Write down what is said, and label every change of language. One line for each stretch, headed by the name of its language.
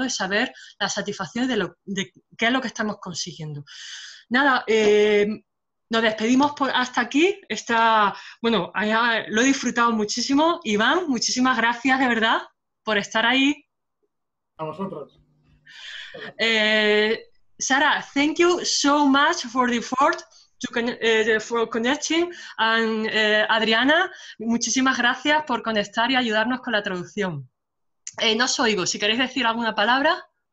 Spanish: De saber la satisfacción de qué es lo que estamos consiguiendo. Nada, nos despedimos hasta aquí. Lo he disfrutado muchísimo. Iván, muchísimas gracias de verdad por estar ahí. A vosotros.
English: Sara, thank you so much for the effort for connecting.
Spanish: And Adriana, muchísimas gracias por conectar y ayudarnos con la traducción. No os oigo. Si queréis decir alguna palabra.